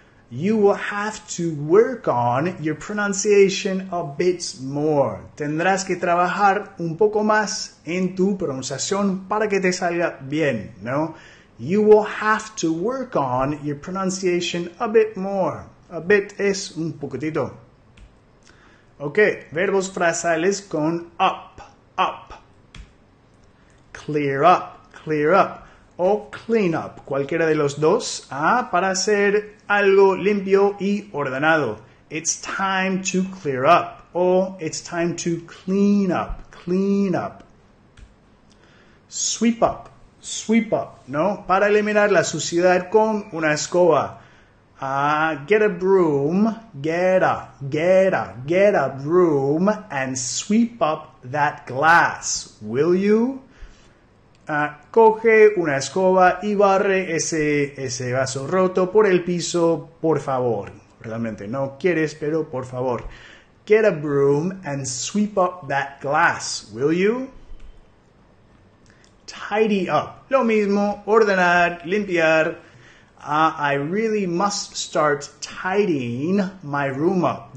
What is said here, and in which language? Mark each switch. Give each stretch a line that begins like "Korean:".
English: You will have to work on your pronunciation a bit more.
Spanish: Tendrás que trabajar un poco más en tu pronunciación para que te salga bien, ¿no?
English: You will have to work on your pronunciation a bit more.
Spanish: A bit es un poquitito. Okay, verbos frasales con up.
English: Clear up.
Spanish: O clean up, cualquiera de los dos, para hacer algo limpio y ordenado.
English: It's time to clear up. O it's time to clean up.
Spanish: Sweep up, ¿no? Para eliminar la suciedad con una escoba.
English: Get a broom, get a broom and sweep up that glass, will you?
Spanish: Coge una escoba y barre ese vaso roto por el piso, por favor. Realmente no quieres, pero por favor.
English: Get a broom and sweep up that glass, will you?
Spanish: Tidy up. Lo mismo, ordenar, limpiar.
English: I really must start tidying my room up.